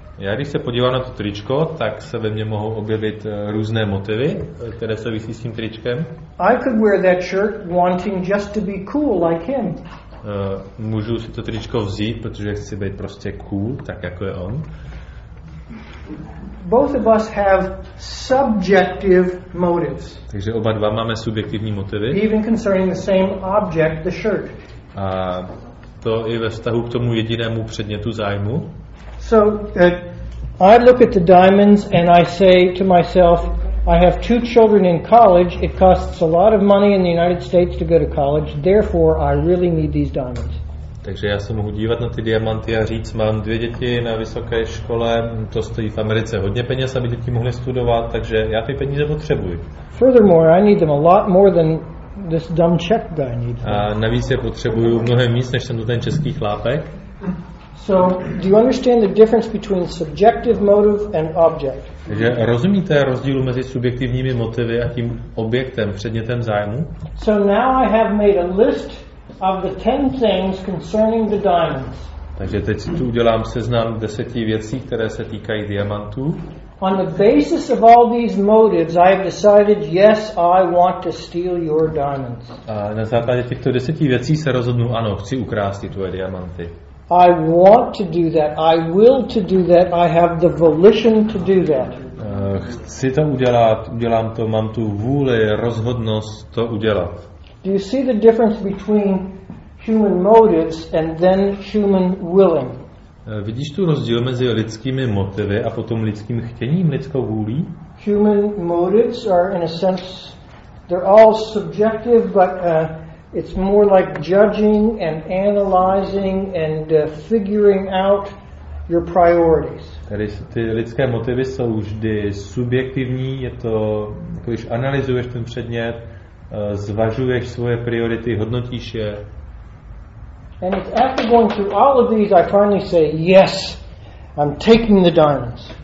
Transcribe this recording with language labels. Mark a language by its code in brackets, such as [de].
[cs] Já když se podívám na to tričko, tak se ve mně mohou objevit různé motivy, které souvisí s tím tričkem. [en] I could wear that shirt wanting just to be cool like him. [cs] Můžu si to tričko vzít, protože chci být prostě cool, tak jako je on. [en] Both of us have subjective motives. [cs] Takže oba dva máme subjektivní motivy. [en] Even concerning the same object, the shirt. [cs] A to i ve vztahu k tomu jedinému předmětu zájmu. [en] So I look at the diamonds and I say to myself, I have two children in college. It costs a lot of money in the United States to go to college. Therefore, I really need these diamonds. [cs] Takže já se mohu dívat na ty diamanty a říct, mám dvě děti na vysoké škole, to stojí v Americe hodně peněz, aby děti mohly studovat, takže já ty peníze potřebuji. [en] Furthermore, I need them a lot more than this dumb Czech guy needs. [cs] A navíc je potřebuju mnohem víc, než jsem tu ten český chlápek. [en] So, do you understand the difference between subjective motive and object? [cs] Takže rozumíte rozdílu mezi subjektivními motivy a tím objektem, předmětem zájmu? [en] So now I have made a list of the 10 things concerning the diamonds. [cs] Takže teď si tu udělám seznam 10 věcí, které se týkají diamantů. [en] On the basis of all these motives, I have decided, yes, I want to steal your diamonds. [cs] A na základě těchto 10 věcí se rozhodnu, ano, chci ukrást tvoje diamanty. [en] I want to do that. I will to do that. I have the volition to do that. [cs] Chci to udělat, udělám to, mám tu vůli, rozhodnost to udělat. [en] Do you see the difference between human motives and then human willing? [cs] Vidíš tu rozdíl mezi lidskými motivy a potom lidským chtěním, lidskou vůlí? [en] Human motives are in a sense they're all subjective, but it's more like judging and analyzing and figuring out your priorities. [cs] Tady ty lidské motivy jsou vždy subjektivní, je to, když analyzuješ ten předmět, zvažuješ svoje priority, hodnotíš je. [en] And it's after going through all of these, I finally say, yes, I'm taking the diamonds.